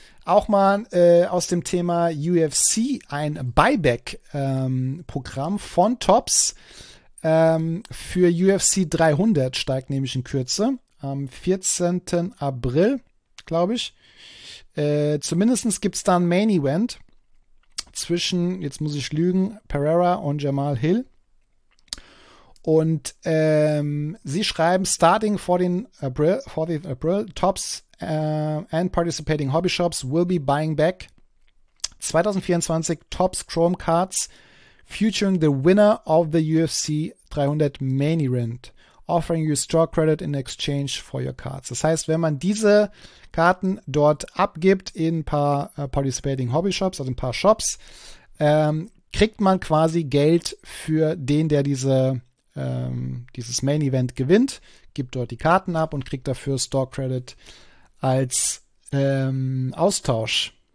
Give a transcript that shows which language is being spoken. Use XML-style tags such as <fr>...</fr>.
<de>Auch mal aus dem Thema UFC ein Buyback-Programm von Tops für UFC 300 steigt nämlich in Kürze am 14. April, glaube ich. Zumindest gibt es da ein Main Event zwischen, jetzt muss ich lügen, Pereira und Jamal Hill. Und sie schreiben:</de> <en>Starting 14th April, Tops and participating hobby shops will be buying back 2024 Topps Chrome Cards featuring the winner of the UFC 300 Main Event, offering you store credit in exchange for your cards.</en> <de>Das heißt, wenn man diese Karten dort abgibt in ein paar</de> <en>participating hobby shops,</en> <de>also ein paar Shops, kriegt man quasi Geld für den, der dieses Main Event gewinnt, gibt dort die Karten ab und kriegt dafür Store Credit als Austausch.</de>